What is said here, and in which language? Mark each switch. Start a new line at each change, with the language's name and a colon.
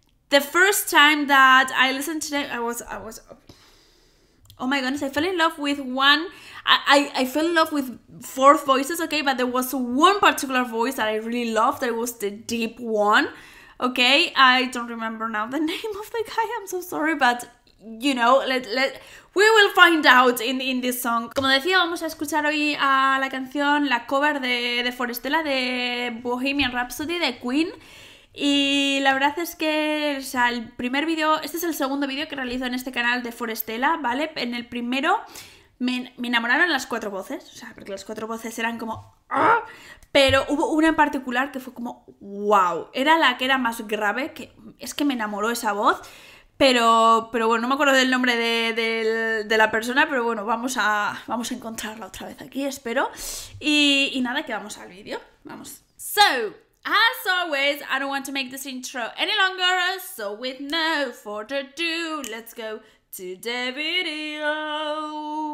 English: The first time that I listened to them, I was oh my goodness, I fell in love with one. I fell in love with four voices, okay, but there was one particular voice that I really loved. That was the deep one, okay. I don't remember now the name of the guy. I'm so sorry, but you know, we will find out in this song.
Spanish: Como decía, vamos a escuchar hoy a la canción, la cover de Forestella de Bohemian Rhapsody de Queen. Y la verdad es que, o sea, el primer vídeo, este es el segundo vídeo que realizo en este canal de Forestella, ¿vale? En el primero me enamoraron las cuatro voces, o sea, porque las cuatro voces eran como, pero hubo una en particular que fue como, wow, era la que era más grave, que es que me enamoró esa voz. Pero bueno, no me acuerdo del nombre de la persona, pero bueno, vamos a encontrarla otra vez aquí, espero. Y nada, que vamos al vídeo. Vamos.
English: So, as always, I don't want to make this intro any longer, so with no further ado, let's go to the video.